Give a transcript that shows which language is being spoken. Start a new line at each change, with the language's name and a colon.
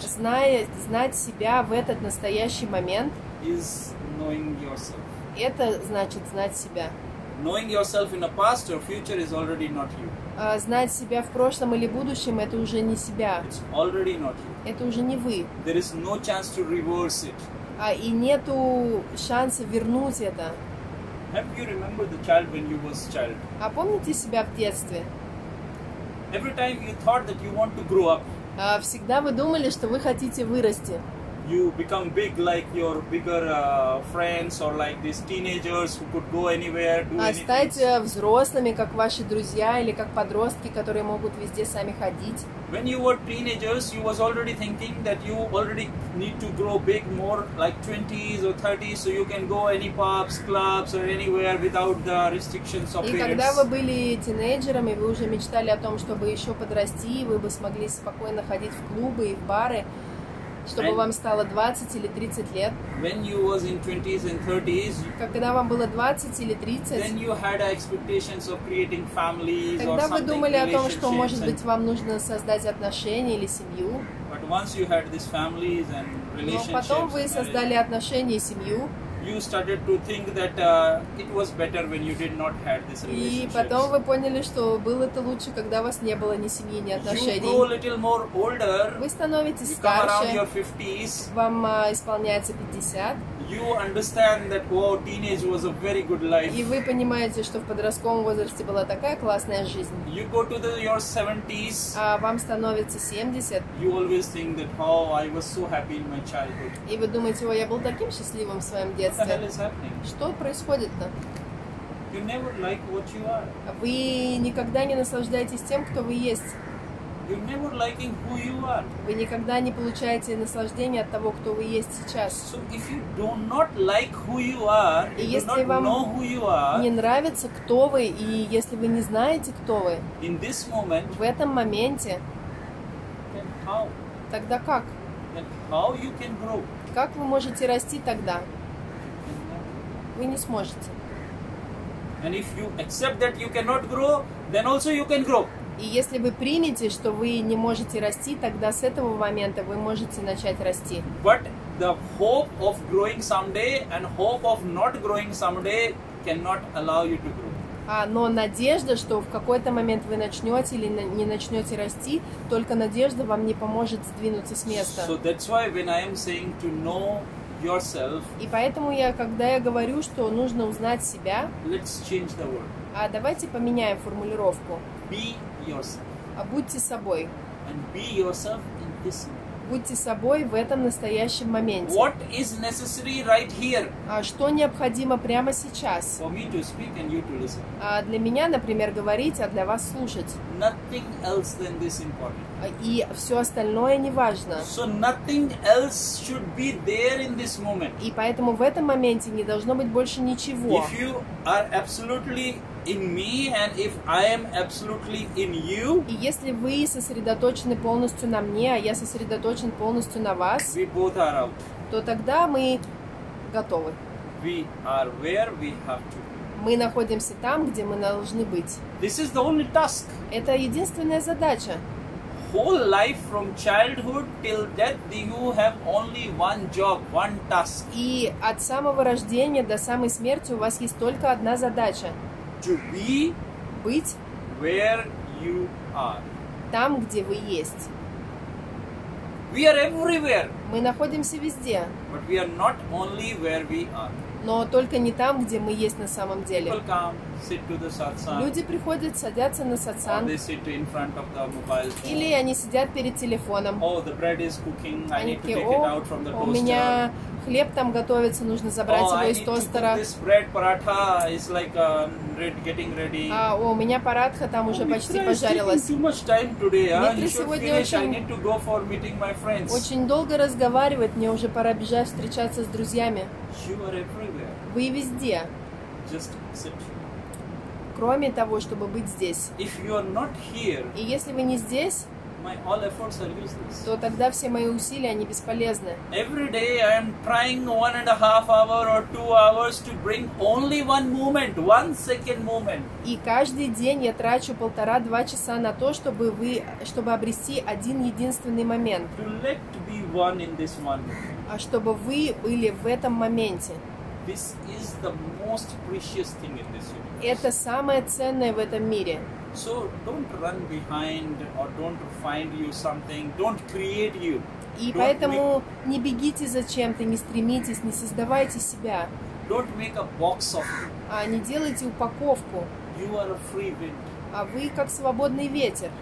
Russian: Знать себя в этот настоящий момент.
English: Is knowing yourself.
Russian: Это значит знать себя.
English: Knowing yourself in the past or future is already not you.
Russian: Знать себя в прошлом или будущем — это уже не себя.
English: It's already not you.
Russian: Это уже не вы.
English: There is no chance to reverse it.
Russian: И нету шанса вернуть это.
English: Have you remember the child when you was child?
Russian: А помните себя в детстве?
English: Every time you thought that you want to grow up.
Russian: Всегда вы думали, что вы хотите вырасти.
English: You become big like your bigger friends or like these teenagers who could go anywhere, do anything.
Russian: Стать взрослыми, как ваши друзья или как подростки, которые могут везде сами ходить.
English: When you were teenagers, you was already thinking that you already need to grow big more like 20s or 30s so you can go any pubs, clubs or anywhere without the restrictions of parents.
Russian: И когда вы были тинейджерами, вы уже мечтали о том, чтобы еще подрасти, вы бы смогли спокойно ходить в клубы и в бары. Чтобы вам стало 20 или 30 лет.
English: When you was in 20s and 30s,
Russian: когда вам было 20 или 30,
English: then you had expectations of creating families or something.
Russian: Тогда вы думали о том, что, может быть, вам нужно создать отношения или семью.
English: But once you had these families and relationships,
Russian: но потом вы создали отношения и семью.
English: You started to think that it was better when you did not have this relationship.
Russian: И потом вы поняли, что было это лучше, когда у вас не было ни семьи, ни отношений.
English: You grow a little more older.
Russian: Вы становитесь
English: you come
Russian: старше.
English: Around your 50s.
Russian: Вам исполняется 50.
English: You understand that wow, teenage was a very good life.
Russian: И вы понимаете, что в подростковом возрасте была такая классная жизнь.
English: You go to your 70s.
Russian: А вам становится 70.
English: You always think that wow, I was so happy in my childhood.
Russian: И вы думаете, о, я был таким счастливым в своем детстве.
English: What the hell is happening?
Russian: Что происходит-то?
English: You never like what you are.
Russian: Вы никогда не наслаждаетесь тем, кто вы есть.
English: You're never liking who you are.
Russian: Вы никогда не получаете наслаждения от того, кто вы есть сейчас.
English: So if you do not like who you are,
Russian: и если вам не нравится, кто вы, и если вы не знаете, кто вы,
English: in this moment,
Russian: в этом моменте,
English: then how?
Russian: Тогда как?
English: Then how you can grow?
Russian: Как вы можете расти тогда? Вы не сможете.
English: And if you accept that you cannot grow, then also you can grow.
Russian: И если вы примете, что вы не можете расти, тогда с этого момента вы можете начать расти.
English: But the hope of growing someday and hope of not growing someday cannot allow you to grow.
Russian: Но надежда, что в какой-то момент вы начнете или не начнете расти, только надежда вам не поможет сдвинуться с места.
English: So that's why when I am saying to know yourself.
Russian: И поэтому я, когда я говорю, что нужно узнать себя.
English: Let's change the word.
Russian: Давайте поменяем формулировку.
English: Be yourself.
Russian: Будьте собой.
English: And be yourself in this moment.
Russian: Будьте собой в этом настоящем моменте.
English: What is necessary right here?
Russian: Что необходимо прямо сейчас?
English: For me to speak and you to listen.
Russian: Для меня, например, говорить, а для вас слушать.
English: Nothing else than this important.
Russian: И все остальное не важно.
English: So nothing else should be there in this moment.
Russian: И поэтому в этом моменте не должно быть больше ничего.
English: If you are absolutely in me and if I am absolutely in you.
Russian: И если вы сосредоточены полностью на мне, а я сосредоточен полностью на вас.
English: We both are out.
Russian: То тогда мы готовы.
English: We are where we have to be.
Russian: Мы находимся там, где мы должны быть.
English: This is the only task.
Russian: Это единственная задача.
English: Whole life from childhood till death you have only one job, one task.
Russian: И от самого рождения до самой смерти у вас есть только одна задача.
English: To be
Russian: быть
English: where you are.
Russian: Там, где вы есть.
English: We are everywhere.
Russian: Мы находимся везде.
English: But we are not only where we are.
Russian: Но только не там, где мы есть на самом деле.
English: People come, sit to the satsang.
Russian: Люди приходят, садятся на сатсанг.
English: Or they sit in front of the mobile phone.
Russian: Или они сидят перед телефоном.
English: Oh, the bread is cooking. I need to take it out from the toaster.
Russian: У меня хлеб там готовится, нужно забрать его из тостера.
English: This bread paratha is like getting ready.
Russian: У меня паратха там уже почти пожарилась.
English: Too much time today.
Russian: Митра сегодня очень.
English: I need to go for meeting my friends.
Russian: Очень долго разговаривать, мне уже пора бежать встречаться с друзьями.
English: You are everywhere.
Russian: Вы везде.
English: Just sit.
Russian: Кроме того, чтобы быть здесь.
English: If you are not here.
Russian: И если вы не здесь.
English: my all efforts are useless.
Russian: То тогда все мои усилия, они бесполезны.
English: Every day I am trying 1.5 hour or 2 hours to bring only one movement, 1 second movement.
Russian: И каждый день я трачу 1.5-2 часа на то, чтобы обрести один единственный момент.
English: To let be one in this moment.
Russian: А чтобы вы были в этом моменте.
English: This is the most precious thing in this universe.
Russian: Это самое ценное в этом мире.
English: So don't run behind or don't find you something, don't create you.
Russian: И поэтому не бегите за чем-то, не стремитесь, не создавайте себя.
English: Don't make a box of you.
Russian: А не делайте упаковку.
English: You are a free wind.
Russian: А вы как свободный ветер.